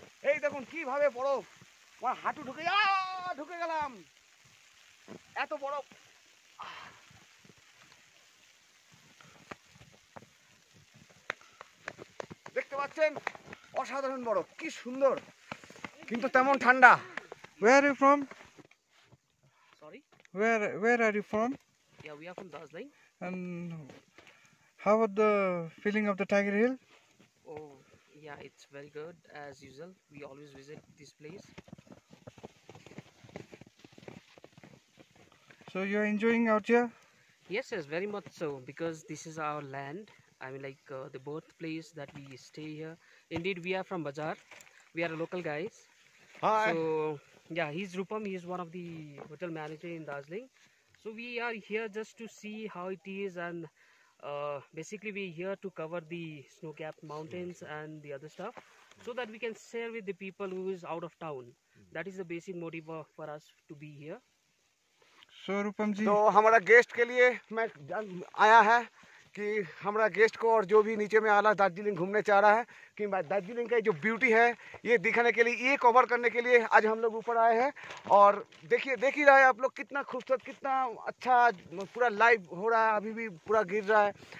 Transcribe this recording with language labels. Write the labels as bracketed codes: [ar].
[bn] এই দেখুন কিভাবে বরফ, আমার হাঁটু ঢুকে ঢুকে গেলাম, এত বরফ। দেখতে পাচ্ছেন অসাধারণ বরফ, কি সুন্দর, কিন্তু তেমন ঠান্ডা। [en] Where are you from? Sorry? Where are you from? Yeah, we are from Darjeeling. And how about the feeling of the Tiger Hill? Oh, yeah, it's very good as usual. We always visit this place. So you're enjoying out here? Yes, very much so, because this is our land. I mean, like the birthplace that we stay here. Indeed, we are from Bazaar. We are local guys. Hi. So, yeah, he's Rupam. He's one of the hotel manager in Darjeeling. So we are here just to see how it is, and basically we're here to cover the snow-capped mountains and the other stuff, so that we can share with the people who is out of town. That is the basic motive for us to be here. So Rupam ji. [hi] So, हमारा guest के लिए मैं आया है कि हमारा guest को और जो भी नीचे में आला दार्जिलिंग घूमने चाह रहा है कि दार्जिलिंग का जो ब्यूटी है ये दिखाने के लिए, ये कवर करने के लिए आज हम लोग ऊपर आए हैं। और देखिए, देख ही रहा है आप लोग कितना खूबसूरत, कितना अच्छा, पूरा लाइव हो रहा है, अभी भी पूरा गिर रहा है।